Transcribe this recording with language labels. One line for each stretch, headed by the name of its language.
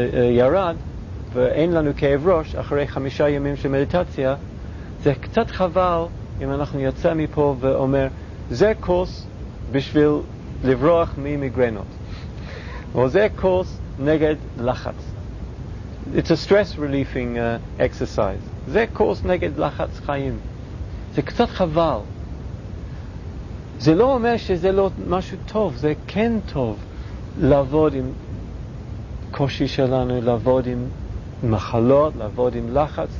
Hebrew: ירד ואין לנו כאב ראש אחרי 5 ימים של מדיטציה, זה קצת חבל אם אנחנו יוצא מפה ואומר זה קורס בשביל לברוח ממיגרנות, או זה קורס נגד לחץ.
English: It's a stress relieving exercise.
Hebrew: זה קורס נגד לחץ חיים. זה קצת חבל. זה לא אומר שזה לא משהו טוב, זה כן טוב לעבוד עם קושי שלנו, לעבוד עם מחלות, לעבוד עם לחץ.